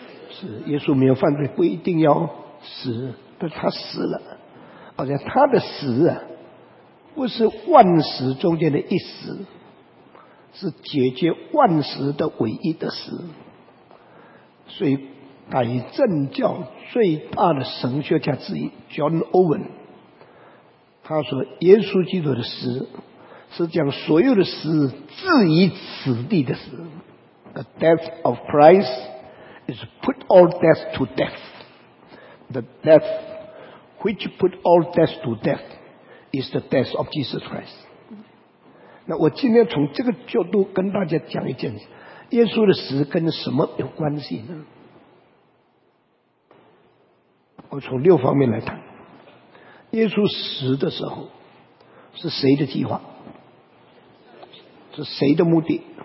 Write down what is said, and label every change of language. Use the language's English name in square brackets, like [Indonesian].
[Chinese] 是耶稣没有犯罪不一定要死，但他死了，而且他的死啊，不是万死中间的一死，是解决万死的唯一的死。所以乃正教最大的神学家之一 John Owen 他说，耶稣基督的死是将所有的死置于死地的死。 [English] The death of Christ is put all death to death. The death which put all death to death is the death of Jesus Christ. [Chinese] 那我今天从这个角度跟大家讲一件事，耶稣的死跟什么有关系呢？我从六方面来谈。耶稣死的时候是谁的计划？是谁的目的？